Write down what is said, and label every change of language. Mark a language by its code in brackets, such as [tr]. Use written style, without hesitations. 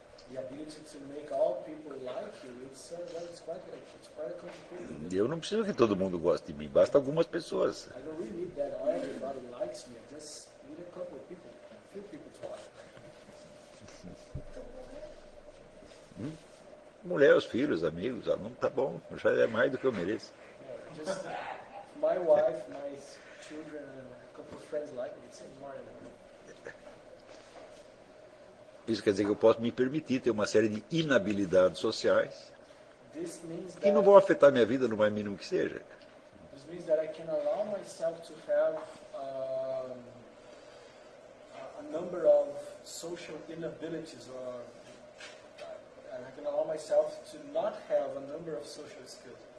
[en] The ability to make all people like you, it's quite a complicated. [pt] Eu não preciso que todo mundo goste de mim, basta algumas pessoas. [en] I don't really need that everybody likes me, I just need a couple of people, a few people to like. [pt] Mulher, os filhos, amigos, não tá bom, já é mais do que eu mereço. [en] Yeah, just my wife, my children, and a couple of friends like me, it's more than enough. [pt] Isso quer dizer que eu posso me permitir ter uma série de inabilidades sociais que não vão afetar minha vida no mais mínimo que seja. [en] Isso means that I can allow myself to have a number of social inabilities or and I can allow myself to not have a number of social skills.